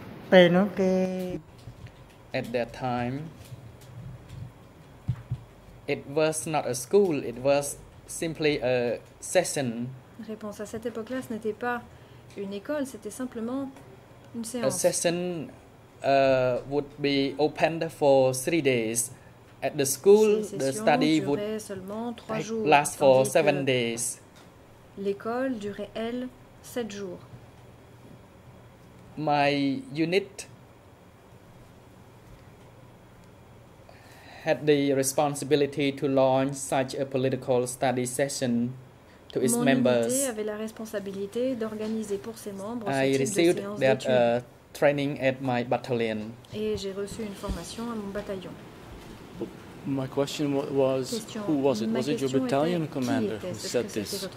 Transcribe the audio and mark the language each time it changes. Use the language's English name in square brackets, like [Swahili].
[English] Bueno, que at that time, it was not a school, it was simply a session. [French] Réponse, à cette époque-là, ce n'était pas une école, c'était simplement une séance. [English] A session would be opened for 3 days. At the school, the study would last for 7 days. [French] L'école durait, elle, 7 jours. [English] My unit had the responsibility to launch such a political study session to its members. [French] Mon unité avait la responsabilité d'organiser pour ses membres ce type de séance d'études. [English] I received that training at my battalion. [French] Et j'ai reçu une formation à mon bataillon. [English] My question was, who was it? Was it your battalion commander who said this